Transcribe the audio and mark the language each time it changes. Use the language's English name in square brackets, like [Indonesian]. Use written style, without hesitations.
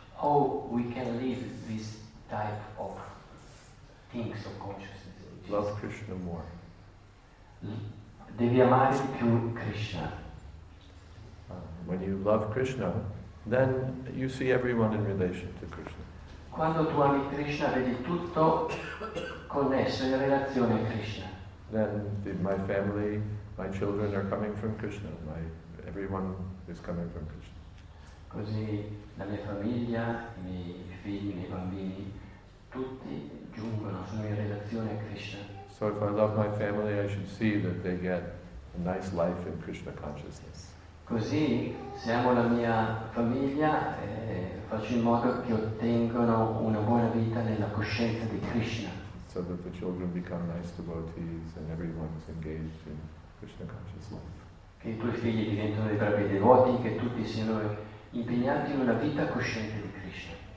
[English] How we can live this type of things of consciousness? Love Krishna more. [Italian] Devi amare più Krishna. [English] When you love Krishna, then you see everyone in relation to Krishna. [Italian] Quando tu ami Krishna, vedi tutto connesso in relazione a Krishna. [English] Then my family, my children are coming from Krishna. Everyone is coming from Krishna. [Italian] Così la mia famiglia, i miei figli, i miei bambini, tutti giungono, sono in relazione a Krishna. [English] So if I love my family, I should see that they get a nice life in Krishna consciousness. [Italian] Così, se amo la mia famiglia, faccio in modo che ottengano una buona vita nella coscienza di Krishna. [English] So that the children become nice devotees and everyone is engaged in Krishna conscious life. [Italian] Che i tuoi figli diventino dei bravi devoti, che tutti siano impegnati in una vita cosciente di Krishna.